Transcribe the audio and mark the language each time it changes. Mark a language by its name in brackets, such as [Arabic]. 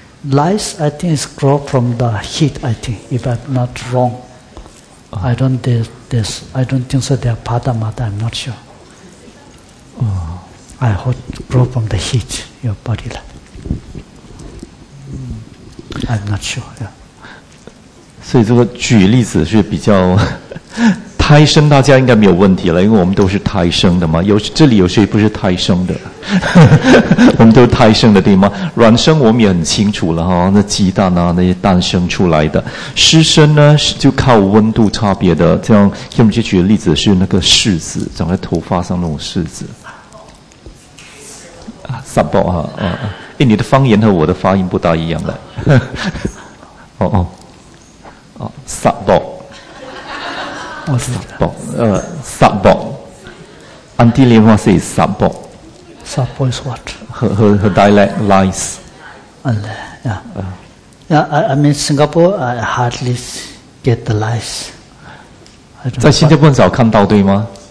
[English] Lice, I think, is grow from the heat, I think, if I'm not wrong. I don't think so. They are part of mother. I'm not sure. I hope grow from the heat your body. I'm not sure. Yeah. [Chinese] 所以这个举例子是比较胎生，大家应该没有问题了，因为我们都是胎生的嘛。有这里有谁不是胎生的？我们都是胎生的对吗？卵生我们也很清楚了哈，那鸡蛋啊那些诞生出来的。湿生呢是就靠温度差别的，这样下面就举的例子是那个柿子，长在头发上那种柿子。傻包啊，哎，你的方言和我的发音不大一样的。傻包。 [English] Sabo. Auntie Lianhua says Sabo. Sabo is what? Her dialect lies. I mean, Singapore, I hardly get the lies. [Chinese] 在新加坡很少看到，对吗？